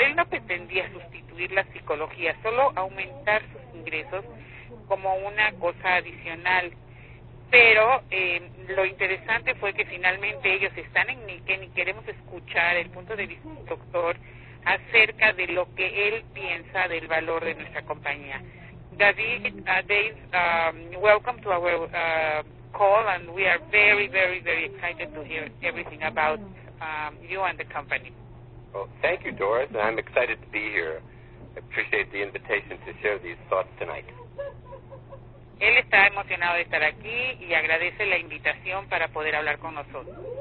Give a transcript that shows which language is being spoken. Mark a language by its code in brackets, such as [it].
[es] Él no pretendía sustituir la psicología, solo aumentar sus ingresos como una cosa adicional. Pero lo interesante fue que finalmente ellos están en Niken y queremos escuchar el punto de vista del doctor acerca de lo que él piensa del valor de nuestra compañía. [en] David, Dave, welcome to our call, and we are very, very, very excited to hear everything about you and the company. Well, thank you, Doris, and I'm excited to be here. I appreciate the invitation to share these thoughts tonight. [es] Él está emocionado de estar aquí y agradece la invitación para poder hablar con nosotros.